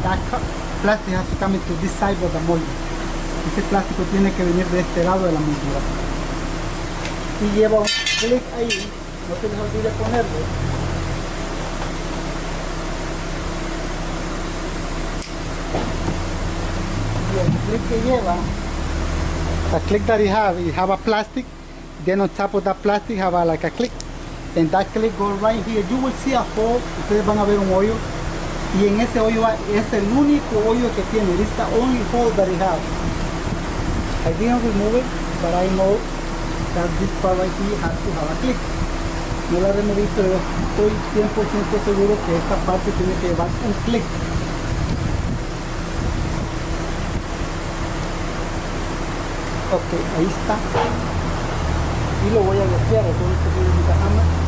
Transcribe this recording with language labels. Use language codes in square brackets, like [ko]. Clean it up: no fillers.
[en] That plastic has to come into this side of the molding. [es] Este plástico tiene que venir de este lado de la moldura. Y llevo un clip ahí. No se les olvide ponerlo. Y el clip que lleva. [en] The clip that you have a plastic. Then on top of that plastic have a, like a click. And that click goes right here. You will see a hole. [es] Ustedes van a ver un hoyo. Y en ese hoyo es el único hoyo que tiene. [en] It's the only hole that it has. I didn't remove it, but I know that this part right here has to have a click. [es] No la removí, pero estoy 100% seguro que esta parte tiene que llevar un click. Ok, ahí está. Y lo voy a golpear con este que es mi cajama.